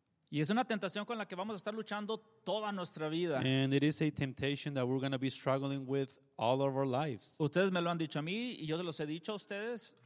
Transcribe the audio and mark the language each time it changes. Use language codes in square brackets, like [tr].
[es] Y es una tentación con la que vamos a estar luchando toda nuestra vida. [en] And it is a temptation that we're going to be struggling with all of our lives. [es] Ustedes me lo han dicho a mí y yo se los he dicho a ustedes.